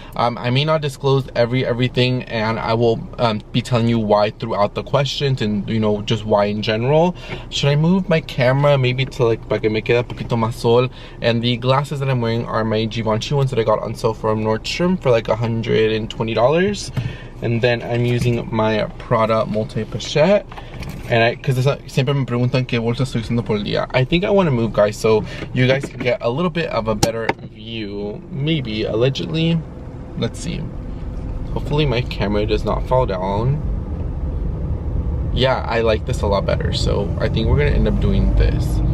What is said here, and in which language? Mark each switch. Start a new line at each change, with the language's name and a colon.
English: I may not disclose everything, and I will be telling you why throughout the questions, and you know, just why in general. Should I move my camera maybe to like,
Spanish: para que me quede un poquito más sol?
English: And the glasses that I'm wearing are my Givenchy ones that I got on sale from Nordstrom for like $120. And then I'm using my Prada multi-pochette. And I, because
Spanish: siempre me preguntan qué bolsa estoy usando por el día.
English: I think I want to move, guys, so you guys can get a little bit of a better view. Maybe, allegedly. Let's see. Hopefully my camera does not fall down. Yeah, I like this a lot better. So I think we're going to end up doing this.